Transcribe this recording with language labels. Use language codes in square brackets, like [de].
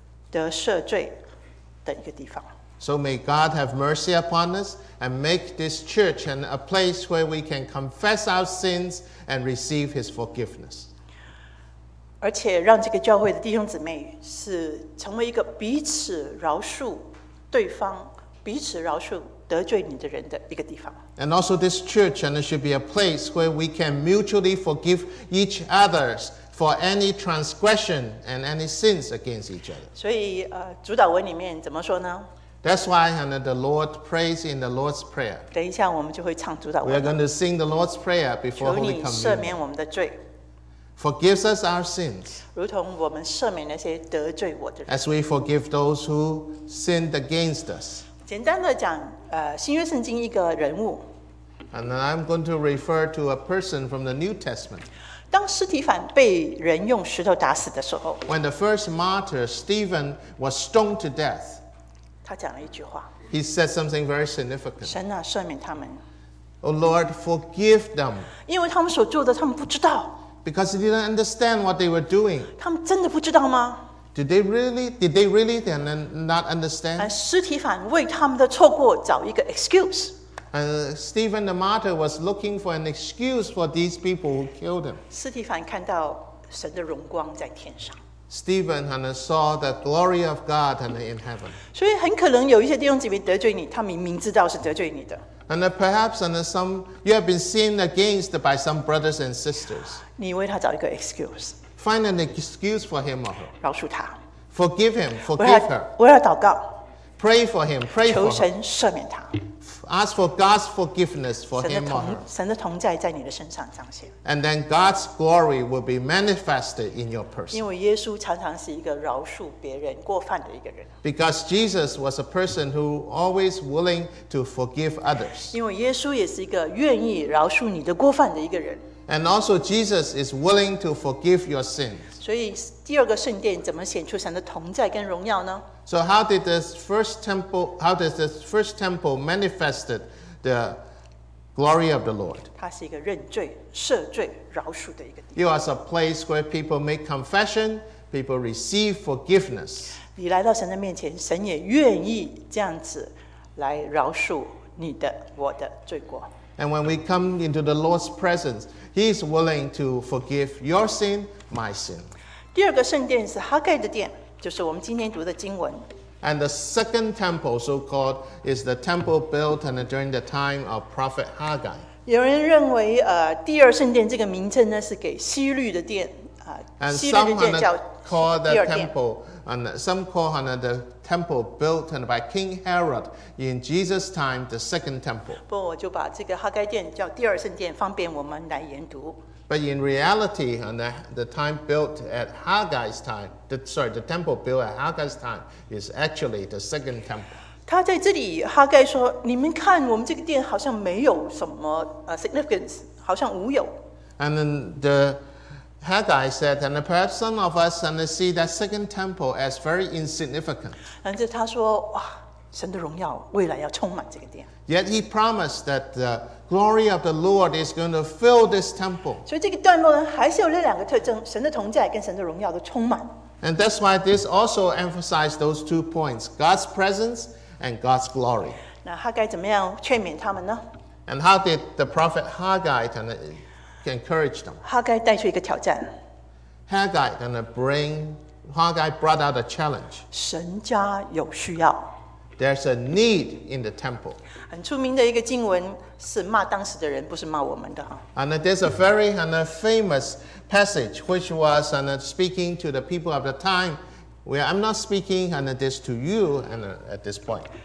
[zh] 得赦罪的一个地方。 [en] So may God have mercy upon us and make this church and a place where we can confess our sins and receive His forgiveness. [zh] 而且让这个教会的弟兄姊妹是成为一个彼此饶恕对方、彼此饶恕得罪你的人的一个地方。 [en] And also this church and it should be a place where we can mutually forgive each other's. For any transgression and any sins against each other. [zh] 所以主祷文里面怎么说呢? [en] That's why the Lord prays in the Lord's Prayer. [zh] 等一下我们就会唱主祷文。 [en] We are going to sing the Lord's Prayer before Holy Communion. [zh] 求你赦免我们的罪。 [en] Forgives us our sins. [zh] 如同我们赦免那些得罪我的人。 [en] As we forgive those who sinned against us. [zh] 简单的讲新约圣经一个人物。 [en] And then I'm going to refer to a person from the New Testament. [zh] 当斯提凡被人用石头打死的时候 [en] When the first martyr, Stephen, was stoned to death, [zh] 他讲了一句话 [en] He said something very significant. [zh] 神啊，赦免他们。 [en] Oh Lord, forgive them. [zh] 因为他们所做的他们不知道。 [en] Because they didn't understand what they were doing. [zh] 他们真的不知道吗? [en] Did they really then not understand? [zh] 斯提凡为他们的错过找一个 excuse. [en] And Stephen the martyr was looking for an excuse for these people who killed him. [zh] 斯提凡看到神的荣光在天上。 [en] Stephen saw the glory of God in heaven. [zh] 所以很可能有一些弟兄姊妹得罪你，他明明知道是得罪你的。 [en] And perhaps some you have been sinned against by some brothers and sisters. [zh] 你为他找一个 excuse. [en] Find an excuse for him or her. [zh] 饶恕他。 [en] Forgive him, forgive her. [zh] 为他祷告。 [en] Pray for him, pray for her. [zh] 求神赦免他。 [en] Ask for God's forgiveness for him or her. [zh] 神的同在在你的身上彰显。 [en] And then God's glory will be manifested in your person. [zh] 因为耶稣常常是一个饶恕别人过犯的一个人。 [en] Because Jesus was a person who always willing to forgive others. [zh] 因为耶稣也是一个愿意饶恕你的过犯的一个人。 [en] And also Jesus is willing to forgive your sins. [zh] 所以第二个圣殿怎么显出神的同在跟荣耀呢？ [en] So how did this first temple manifested the glory of the Lord. [zh] 它是一个认罪、赦罪、饶恕的一个地方。 [en] You are a place where people make confession, people receive forgiveness. [zh] 你来到神的面前，神也愿意这样子来饶恕你的、我的罪过。 [en] And when we come into the Lord's presence, He is willing to forgive your sin, my sin. [zh] 第二个圣殿是哈盖的殿，就是我们今天读的经文。 [en] And the second temple, so-called, is the temple built and during the time of Prophet Haggai. [zh] 有人认为，第二圣殿这个名称呢是给希律的殿， [en] And some call the temple, and some call on the temple built and by King Herod in Jesus' time, the second temple. [zh] 不，我就把这个哈该殿叫第二圣殿，方便我们来研读。 [en] But in reality, on the time built at Haggai's time, the temple built at Haggai's time is actually the second temple. [zh] 他在这里，哈该说：“你们看，我们这个殿好像没有什么significance， 好像无有。” [en] And then the Haggai said, and perhaps some of us and see that second temple as very insignificant. [zh] 但是他说：“哇，神的荣耀未来要充满这个殿。” [en] Yet he promised that the glory of the Lord is going to fill this temple. [zh] 所以这个段落呢，还是有那两个特征：神的同在跟神的荣耀都充满。 [en] And that's why this also emphasized those two points: God's presence and God's glory. [zh] 那哈该怎么样劝勉他们呢 [en] ？And how did the prophet Haggai encourage them? [zh] 哈该带出一个挑战。 [en] Haggai then Haggai brought out a challenge. [zh] 神家有需要。 [en] There's a need in the temple. [zh] 很出名的一个经文是骂当时的人，不是骂我们的。 [en] And there's a very and a famous passage which was and speaking to the people of the time. Well, I'm not speaking and this to you and at this point.